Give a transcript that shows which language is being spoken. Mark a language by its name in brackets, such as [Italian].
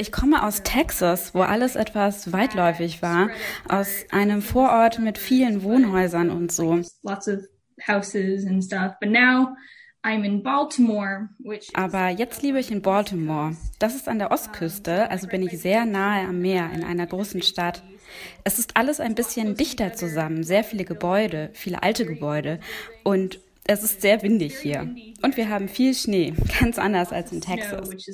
[German] Ich komme aus Texas, wo alles etwas weitläufig war, aus einem Vorort mit vielen Wohnhäusern und so. [English] Lots of houses and stuff, but now I'm in Baltimore, which is. [German] Aber jetzt lebe ich in Baltimore. Das ist an der Ostküste, also bin ich sehr nahe am Meer in einer großen Stadt. Es ist alles ein bisschen dichter zusammen, sehr viele Gebäude, viele alte Gebäude. Und es ist sehr windig hier. Und wir haben viel Schnee, ganz anders als in Texas.